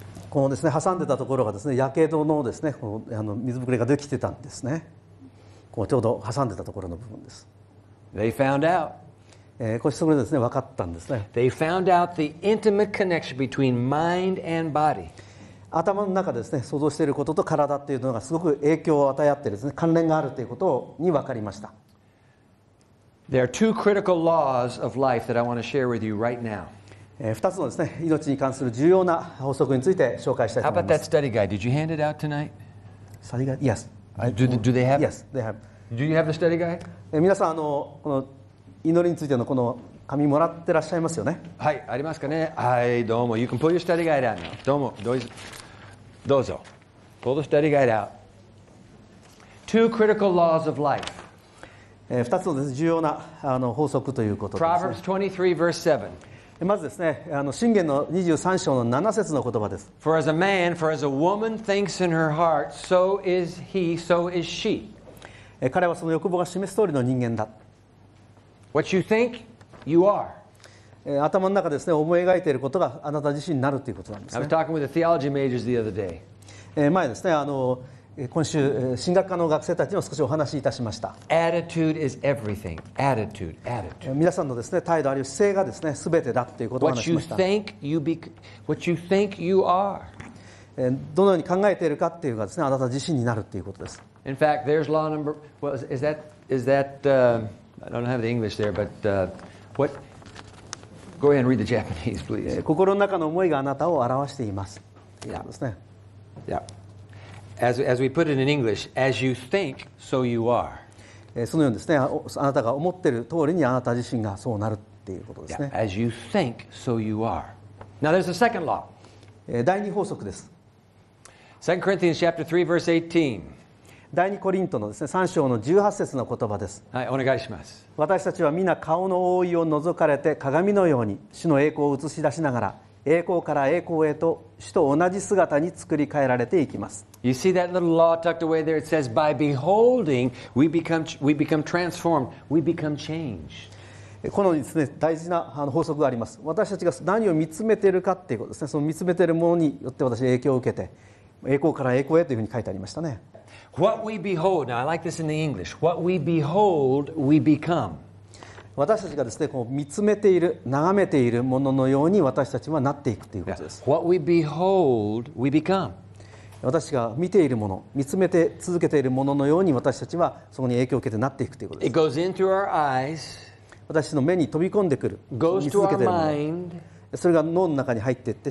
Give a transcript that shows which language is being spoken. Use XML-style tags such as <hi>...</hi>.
<ja>このですね、挟んでたところがですね、やけどのですね、こうあの水ぶくれができてたんですね。こうちょうど挟んでたところの部分です。</ja> <en>They found out.</en> <ja>こうしてそれですね、分かったんですね。</ja> <en>They found out the intimate connection between mind and body.</en> <ja>頭の中 で, ですね、想像していることと体っていうのがすごく影響を与え合ってですね、関連があるということに分かりました。</ja> <en>There are two critical laws of life that I want to share with you right now.</en> <ja>2つのですね、命に関する重要な法則について紹介したいと思います。</ja> <en>How about that study guide? Did you hand it out tonight? Study guide? Yes. Do they have? Yes, they have. Do you have the study guide?</en> <ja>皆さん、あの、この祈りについてのこの紙もらってらっしゃいますよね。はい、ありますかね。はい、どうも。</ja> <en>You can pull your study guide out now.</en> <ja>どうも。どうぞ。</ja> <en>Pull the study guide out. Two critical laws of life.</en> <ja>二つのです、ね、重要なあの法則ということです、ね。</ja> <en>Proverbs 23 verse 7.</en> <ja>まずですね、あの箴言の23章の7節の言葉です。</ja> <en>For as a man, for as a woman thinks in her heart, so is he, so is she.</en> <ja>彼はその欲望が示す通りの人間だ。</ja> <en>What you think? You are.</en> <ja>頭の中ですね、思い描いていることがあなた自身になるということなんですね。</ja> <en>I was talking with the theology majors the other day.</en> <ja>前ですね、あの今週神学科の学生たちにも少しお話しいたしました。</ja> <en>Attitude is everything. Attitude, attitude.</en> <ja>皆さんのですね、態度あるいは姿勢がですね、すべてだということを話しました。</ja> <en>What you think you be, what you think you are.</en> <ja>どのように考えているかっていうかですね、あなた自身になるということです。</ja> <en>In fact, there's law number. I don't have the English there, but. What? Go ahead and read the Japanese, please.</en> <ja>心の中の思いがあなたを表しています。</ja> <en>Yeah.</en> <ja>ですね。</ja> <en>Yeah. As we put it in English, as you think, so you are.</en> <ja>そのようにですね、あなたが思っている通りにあなた自身がそうなるっていうことですね。</ja> <en>Yeah. As you think, so you are. Now there's a second law.</en> <ja>第二法則です。</ja> <en>2 Corinthians chapter 3 verse 18.</en> <ja>第二コリントのですね、3章の18節の言葉です。はい、お願いします。私たちは皆顔の覆いを覗かれて鏡のように主の栄光を映し出しながら栄光から栄光へと主と同じ姿に作り変えられていきます。</ja> <en>You see that little law tucked away there? It says, by beholding, we become transformed, we become changed.</en> <ja>このですね、大事な法則があります。私たちが何を見つめているかっていうことですね、その見つめているものによって私は影響を受けて栄光から栄光へというふうに書いてありましたね。</ja> <en>What we behold, now I like this in the English. What we behold, we become.</en> <ja>私たちがですね、こう見つめている、眺めているもののように私たちはなっていくということです。</ja> <en>What we behold, we become.</en> <ja>私たちが見ているもの、見つめて続けているもののように私たちはそこに影響を受けてなっていくということです。</ja> <en>It goes into our eyes.</en> <ja>私の目に飛び込んでくる。</ja> <en>Goes to our mind.</en> <ja>それが脳の中に入っていって</ja>